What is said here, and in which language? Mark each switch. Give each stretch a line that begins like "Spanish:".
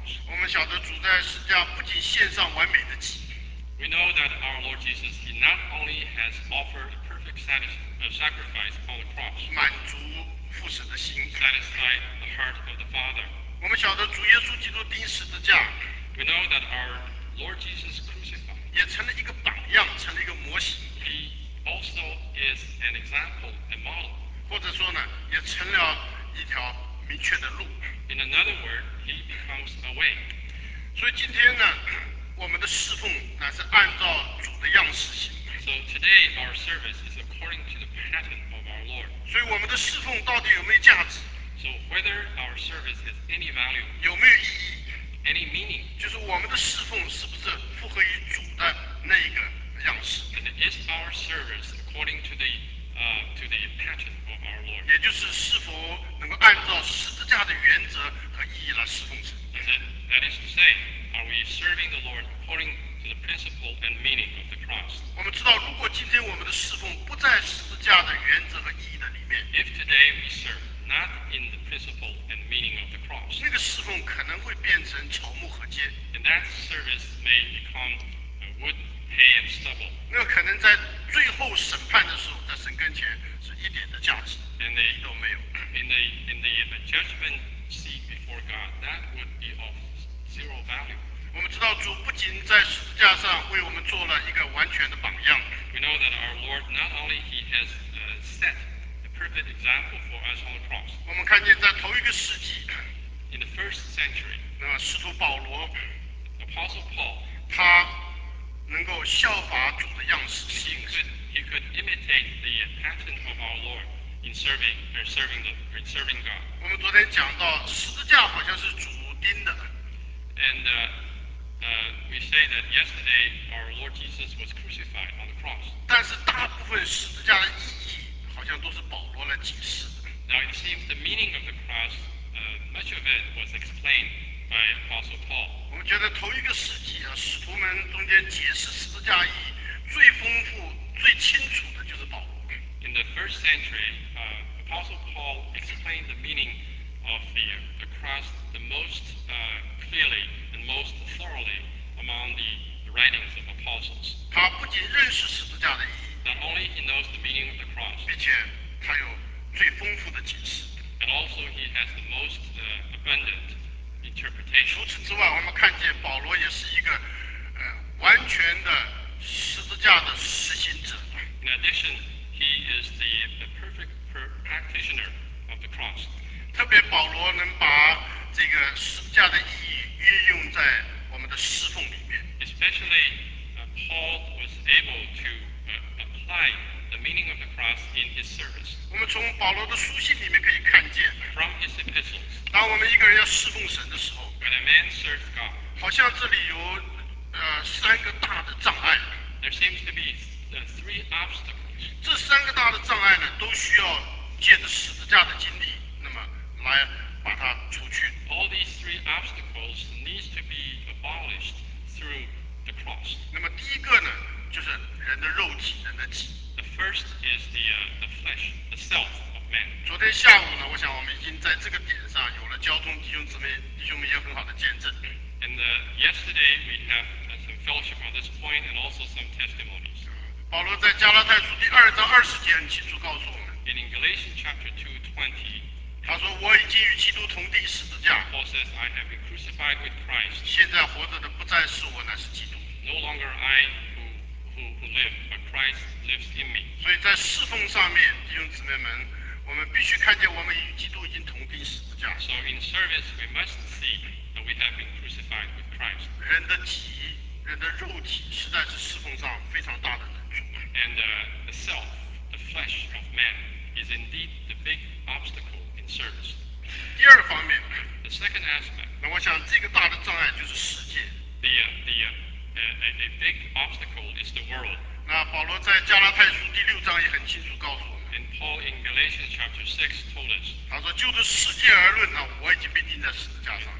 Chinese: 我们晓得主在十字架不仅献上完美的祭。
English: We know that our Lord Jesus he not only has offered perfect sacrifice on the cross，
Chinese: 满足父神的心。
English: Satisfy the heart of the Father。
Chinese: 我们晓得主耶稣基督钉十字架。
English: We know that our Lord Jesus crucified，
Chinese: 也成了一个榜样，成了一个模型。
English: He also is an example, a model。
Chinese: 或者说呢，也成了一条明确的路。
English: In another word,He becomes a way.
Chinese: 所以今天呢，我们的侍奉乃是按照主的样式行。
English: So today our service is according to the pattern of our Lord.
Chinese: 所以我们的侍奉到底有没有价值
English: ？So whether our service has any value,
Chinese: 有没有意义
English: ？Any meaning?
Chinese: 就是我们的侍奉是不是符合于主的那个样式
English: ？And is our service according to the pattern of our Lord?
Chinese: 也就是是否能够按照十字架的原则。
English: That is to say, are we serving the Lord according to the principle and meaning of the cross?
Chinese: 我们知道，如果今天我们的侍奉不在十字架的原则和意义的里面
English: ，If today we serve not in the principle and meaning of the cross,
Chinese: 那个侍奉可能会变成草木和箭
English: ，And that service may become wood, hay, and stubble.
Chinese: 那可能在最后审判的时候，在神跟前是一点的价值
English: ，And they
Chinese: 都没有
English: ，In the judgment. Seek before God, that would be of zero value.
Chinese: 我们知道主不仅在十字架上为我们做了一个完全的榜样。
English: We know that our Lord not only He has set a perfect example for us on the cross.
Chinese: 我们看见在头一个世纪
English: ，In the first century,
Chinese: 那使徒保罗
English: ，Apostle Paul,
Chinese: 他能够效法主的样式。
English: He could imitate the pattern of our Lord. In serving God.
Chinese: 我们昨天讲到十字架好像是主钉的。
English: And we say that yesterday our Lord Jesus was crucified on the cross.
Chinese: 但是大部分十字架的意义好像都是保罗来解释的。
English: Now it seems the meaning of the cross, much of it was explained by Apostle Paul.
Chinese: 我们觉得头一个世纪啊，使徒们中间解释十字架意义最丰富、最清楚的就是保罗。
English: In the first century, Apostle Paul explained the meaning of the cross the most clearly and most thoroughly among the writings of apostles.
Chinese: 他不仅认识十字架的意义
English: Not only he knows the meaning of the cross,
Chinese: 并且他有最丰富的解释
English: And also he has the most abundant interpretation.
Chinese: 除此之外，我们看见保罗也是一个完全的十字架的实行者
English: In addition,He is the perfect practitioner of the cross.
Chinese: 特别保罗能把这个十字架的意义运用在我们的侍奉里面。
English: Especially, Paul was able to apply the meaning of the cross in his service.
Chinese: 我们从保罗的书信里面可以看见。
English: From his epistles.
Chinese: 当我们一个人要侍奉神的时候
English: ，When a man serves God,
Chinese: 好像这里有三个大的障碍。
English: There seems to be three obstacles.
Chinese: 这三个大的障碍呢，都需要借着十字架的经历，那么来把它除去。
English: All these three obstacles need to be abolished through the cross.
Chinese: 那么第一个呢，就是人的肉体，人的己。
English: The first is the flesh, the self of man.
Chinese: 昨天下午呢，我想我们已经在这个点上有了交通，弟兄们也很好的见证。
English: And yesterday we have some fellowship on this point and also some testimonies.
Chinese: 保罗在加拉太书第二章二十节很清楚告诉我们
English: ，In Galatians chapter 2:20，
Chinese: 他说我已经与基督同钉十字架。
English: Paul says I have been crucified with Christ。
Chinese: 现在活着的不再是我，乃是基督。
English: No longer I who live, but Christ lives in me。
Chinese: 所以在侍奉上面，弟兄姊妹们，我们必须看见我们与基督已经同钉十字架。
English: So in service we must see that we have been crucified with Christ。
Chinese: 人的己，人的肉体，实在是侍奉上非常大的。
English: And the self, the flesh of man, is indeed the big obstacle in service.
Chinese: 第二方面
English: The second aspect.
Chinese: 那我想这个大的障碍就是世界
English: The a big obstacle is the world.
Chinese: 那保罗在加拉太书第六章也很清楚告诉我们。
English: And Paul in Galatians chapter 6 told us.
Chinese: 他说就着世界而论呢，我已经被钉在十字架上。